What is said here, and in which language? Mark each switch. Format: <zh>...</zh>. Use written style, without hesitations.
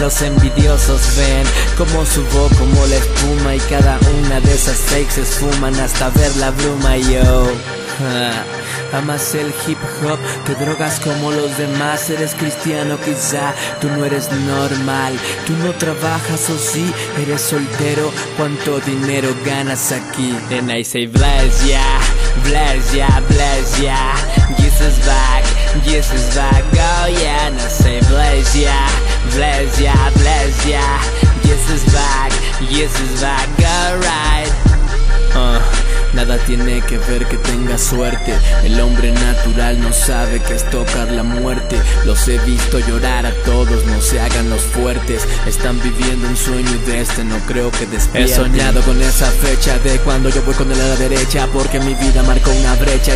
<es>Los envidiosos ven cómo subo como la espuma y cada una de esas fakes se esfuman hasta ver la bruma, yo. Amas el hip hop, te drogas como los demás. Eres cristiano quizá, tú no eres normal. Tú no trabajas o sí, eres soltero. ¿Cuánto dinero ganas aquí?</es> <en>Then I say bless ya, bless ya, bless ya. Jesus back, Jesus back, oh yeah. And I say bless ya, bless ya, bless ya. Jesus back, Jesus back, alright.</en> <es>Nada tiene que ver que tenga suerte. El hombre natural no sabe que es tocar la muerte. Los he visto llorar a todos, no se hagan los fuertes. Están viviendo un sueño y de este no creo que despierten. He soñado con esa fecha de cuando yo voy con él a la derecha, porque mi vida marcó una brecha.</es>